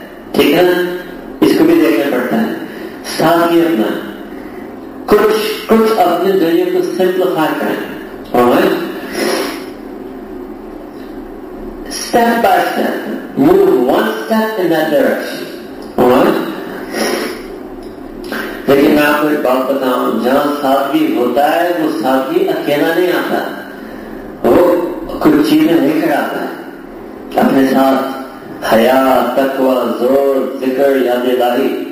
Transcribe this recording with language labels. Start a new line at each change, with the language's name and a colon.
Hindi: ठीक है इसको भी देखना पड़ता है सादगी अपना कुछ कुछ अपने दुनिया को सिंपलीफाई करें और
English: step by step, move one step in that direction. Alright?
Hindi: लेकिन मैं आपको एक बात बताऊं, जहां सादगी होता है वो सादगी अकेला नहीं आता, वो कुर्सी में नहीं खड़ाता है, अपने साथ हया तकवा जोर जिक्र याद इलाही।